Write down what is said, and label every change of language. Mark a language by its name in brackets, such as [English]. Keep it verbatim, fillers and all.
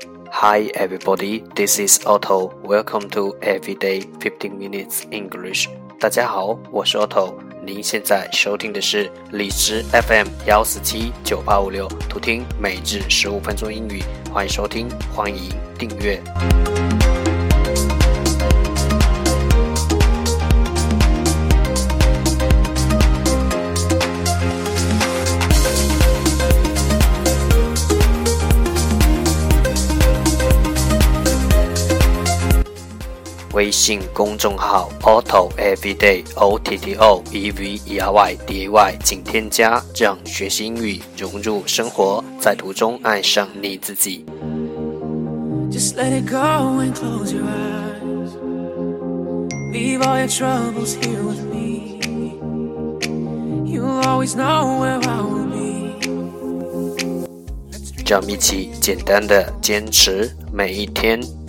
[English] Hi everybody, this is Otto. Welcome to Everyday fifteen Minutes English. [Chinese] 大家好，我是 Otto。您现在收听的是荔枝 F M 幺四七九八五六，图听每日十五分钟英语。欢迎收听，欢迎订阅。微信公众号 Otto Everyday O T T O E V E R Y D A Y， 请添加，让学习英语融入生活，在途中爱上你自己。 [English] Just let it go and close your eyes. Leave all your troubles here with me. You'll always know where I will be. [Chinese] 让我们一起简单的坚持每一天。